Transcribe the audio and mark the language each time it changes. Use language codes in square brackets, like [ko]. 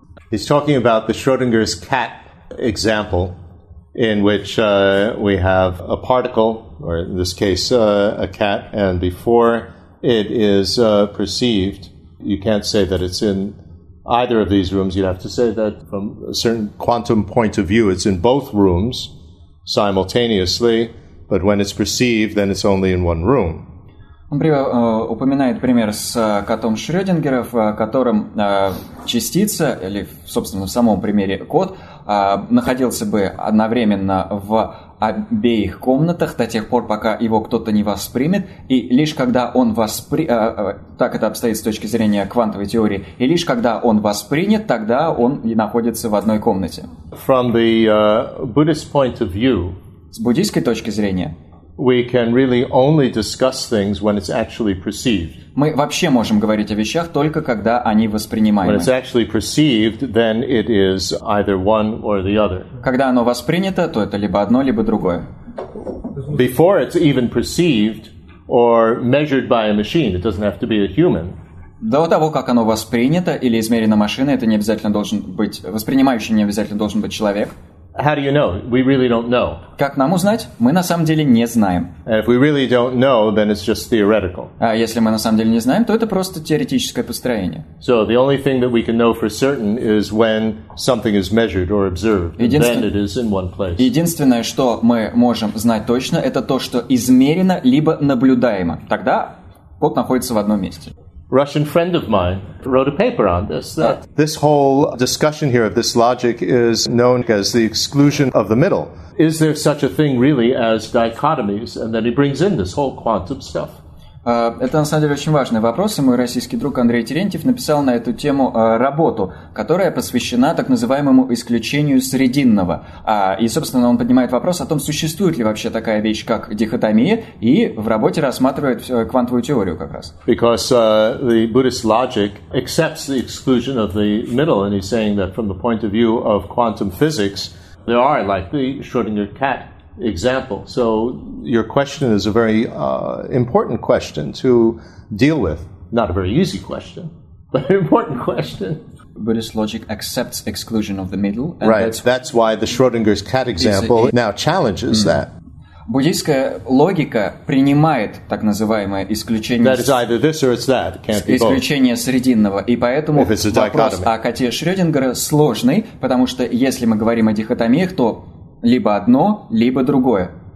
[en] He's talking about the Schrödinger's cat example, in which we have a particle, or in this case, a cat, and before it is perceived, you can't say that it's in either of these rooms. You'd have to say that from a certain quantum point of view, it's in both rooms simultaneously, but when it's perceived, then it's only in one room. [ru] Он упоминает пример с котом Шрёдингера, в котором частица, или, собственно, в самом примере кот, находился бы одновременно в обеих комнатах до тех пор, пока его кто-то не воспримет, и лишь когда он так это обстоит с точки зрения квантовой теории, и лишь когда он воспринят, тогда он и находится в одной комнате. [en] From the Buddhist point of view, [ru] с буддийской точки зрения, [en] we can really only discuss things when it's actually perceived. [ru] Мы вообще можем говорить о вещах только когда они воспринимаемы. [en] When it's actually perceived, then it is either one or the other. [ru] Когда оно воспринято, то это либо одно, либо другое. [en] Before it's even perceived or measured by a machine, it doesn't have to be a human. [ru] До того, как оно воспринято или измерено машиной, это не обязательно должен быть воспринимающим, не обязательно должен быть человек. [en] How do you know? We really don't know. [ru] Как нам узнать? Мы на самом деле не знаем. [en] And if we really don't know, then it's just theoretical. [ru] А если мы на самом деле не знаем, то это просто теоретическое построение. [en] So the only thing that we can know for certain is when something is measured or observed. Then it is in one place. [ru] Единственное, что мы можем знать точно, это то, что измерено либо наблюдаемо. Тогда кот находится в одном месте. [en] Russian friend of mine wrote a paper on this. That this whole discussion here of this logic is known as the exclusion of the middle. Is there such a thing really as dichotomies? And then he brings in this whole quantum stuff. [ru] Это на самом деле очень важный вопрос. И мой российский друг Андрей Терентьев написал на эту тему работу, которая посвящена так называемому исключению срединного. И, собственно, он поднимает вопрос о том, существует ли вообще такая вещь, как дихотомия, и в работе рассматривает квантовую теорию как раз. [en] Because the Buddhist logic accepts the exclusion of the middle, and he's saying that from the point of view of quantum physics, there are like the Schrödinger cat example. So your question is a very important question to deal with. Not a very easy question, but an important question. Buddhist logic accepts exclusion of the middle. And right. That's why the Schrödinger's cat example now challenges that. [ru] Буддийская логика принимает так называемое исключение, [en] that is either this or it's that. Can't be [ru] исключение [en] both. [ru] Срединного. И поэтому вопрос о коте Шрёдингера сложный, потому что если мы говорим о дихотомиях, то либо одно, либо другое.